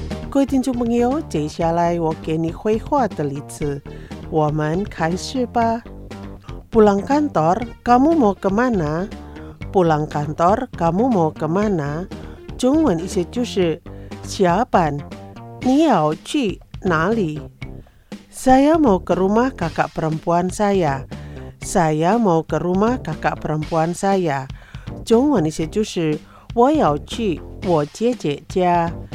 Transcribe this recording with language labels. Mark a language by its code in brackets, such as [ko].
[zh] 各位听众朋友，接下来我给你绘画的例子，我们开始吧。 [id] Pulang kantor kamu mau kemana? Pulang kantor kamu mau kemana? [zh] 中文意思就是下班，你要去哪里？ [id] Saya mau ke rumah kakak perempuan saya. Saya mau ke rumah kakak perempuan saya. [zh] 中文意思就是我要去我姐姐家。